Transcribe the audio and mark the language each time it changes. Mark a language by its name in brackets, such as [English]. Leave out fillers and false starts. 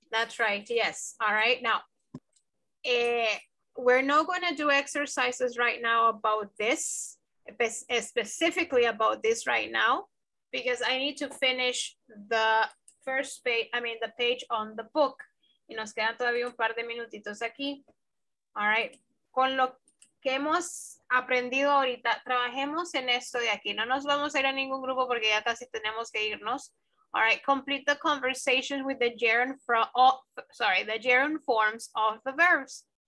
[English] That's right, yes. All right, now, we're not going to do exercises right now about this, specifically about this right now, because I need to finish the first page, I mean, the page on the book. [Spanish] Y nos quedan todavía un par de minutitos aquí. All right, con lo que hemos aprendido ahorita, trabajemos en esto de aquí. No nos vamos a ir a ningún grupo porque ya casi tenemos que irnos. [English] All right, complete the conversation with the gerund forms of the verbs.